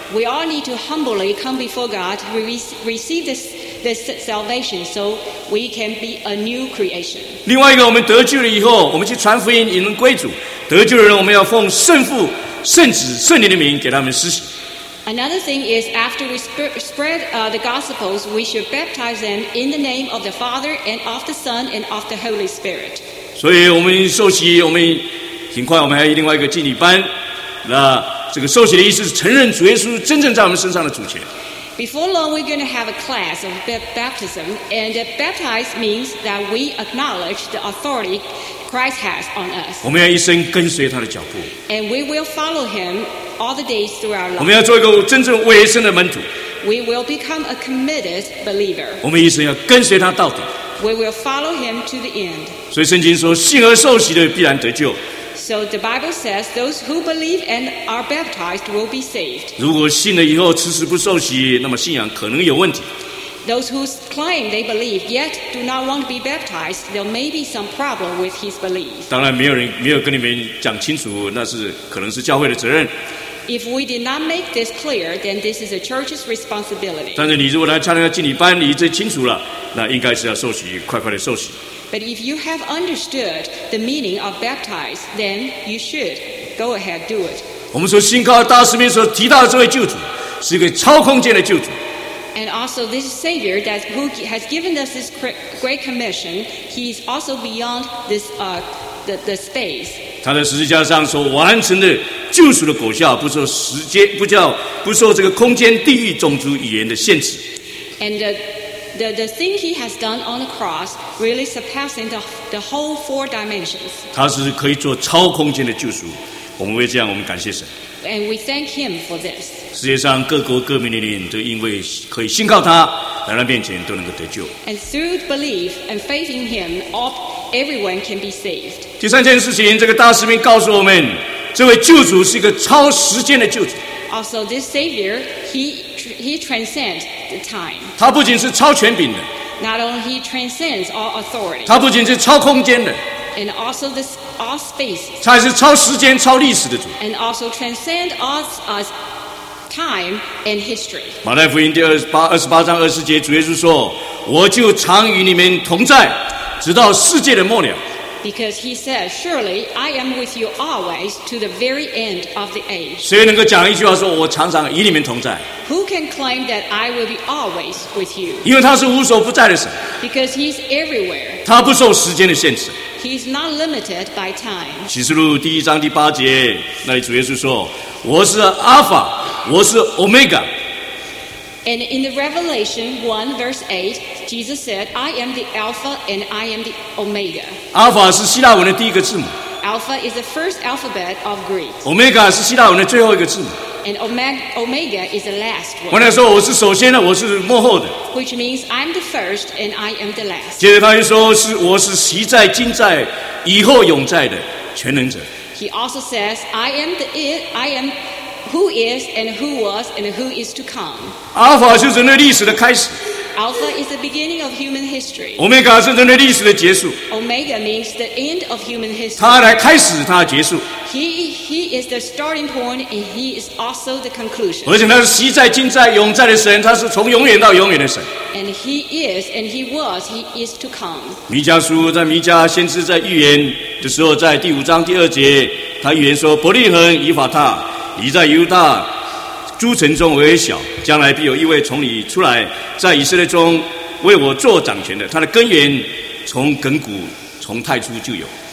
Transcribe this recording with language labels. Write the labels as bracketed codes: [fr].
[en] We all need to humbly come before God to receive this salvation, so we can be a new creation. [zh] 另外一个，我们得救了以后，我们去传福音，引人归主。得救的人，我们要奉圣父、圣子、圣灵的名给他们施洗。 [en] Another thing is, after we spread the Gospels, we should baptize them in the name of the Father and of the Son and of the Holy Spirit. [zh] 所以我们受洗，我们很快我们还有另外一个敬礼班。那这个受洗的意思是承认主耶稣真正在我们身上的主权。 [en] Before long, we're going to have a class of baptism, and baptize means that we acknowledge the authority Christ has on us. [zh] 我们要一生跟随他的脚步。 [en] And we will follow him. All the days through our life. [zh] 我们要做一个真正委身的门徒。 [en] We will become a committed believer. [zh] 我们一生要跟随他到底。 [en] We will follow him to the end. [zh] 所以圣经说，信而受洗的必然得救。 [en] So the Bible says, those who believe and are baptized will be saved. [zh] 如果信了以后迟迟不受洗，那么信仰可能有问题。 [en] Those who claim they believe yet do not want to be baptized, there may be some problem with his belief. [zh] 当然没有跟你们讲清楚，那是可能是教会的责任。 [en] If we did not make this clear, then this is a church's responsibility. [zh] 但是你如果来参加敬礼班，你最清楚了，那应该是要受洗，快快的受洗。 [en] But if you have understood the meaning of baptized, then you should go ahead do it. [zh] 我们说信靠大使命所提到的这位救主，是一个超空间的救主。 [en] And also, this Savior that who has given us this great commission, he's also beyond this the space. [zh] 他在十字架上所完成的救赎的果效，不受时间，不受这个空间、地域、种族、语言的限制。 [en] And the thing he has done on the cross really surpassing the whole four dimensions. [zh] 他是可以做超空间的救赎。我们为这样，我们感谢神。 [en] And we thank him for this. [zh] 世界上各国各民的人都因为可以信靠他，来到面前都能够得救。 [en] And through belief and faith in him, all everyone can be saved. [zh] 第三件事情，这个大使命告诉我们，这位救主是一个超时间的救主。 [en] Also, this Savior, he transcends the time. [zh] 他不仅是超权柄的。 [en] Not only he transcends all authority. [zh] 他不仅是超空间的。 [en] And also this all space. [zh] 他还是超时间、超历史的主。 [en] And also transcend all time and history. [zh] 马太福音第28:20，主耶稣说：“我就常与你们同在，直到世界的末了。” [en] Because he says, "Surely I am with you always to the very end of the age." [zh] 谁能够讲一句话说我常常与你们同在？ [en] Who can claim that I will be always with you? [zh] 因为他是无所不在的神。 [en] Because he's everywhere. [zh] 他不受时间的限制。 [en] He's not limited by time. [zh] 启示录第一章第八节，那里主耶稣说：“我是 Alpha， 我是 Omega。” [en] And in the Revelation 1:8。 Jesus said, "I am the Alpha and I am the Omega." [zh] Alpha 是希腊文的第一个字母。 [en] Alpha is the first alphabet of Greek. [zh] Omega 是希腊文的最后一个字母。 [en] And Omega is the last one. [zh] 换来说，我是首先的，我是末后的。 [en] Which means I'm the first and I am the last. [zh] 接着他又说，是我是昔在、今在、以后永在的全能者。 [en] He also says, "I am the I am who is and who was and who is to come." [zh] Alpha 就是人类历史的开始。 [en] Alpha is the beginning of human history. [zh] Omega 是人类历史的结束。 [en] Omega means the end of human history. [zh] 他来开始，他结束。 [en] He is the starting point and he is also the conclusion. [zh] 而且他是昔在、今在、永在的神，他是从永远到永远的神。 [en] And he is and he was, he is to come. [zh] 弥迦书在弥迦先知在预言的时候，在第五章第二节，他预言说：“伯利恒以法他，你在犹大。” 诸城中我也小，将来必有一位从你出来，在以色列中为我做掌权的。他的根源从亘古，从太初就有。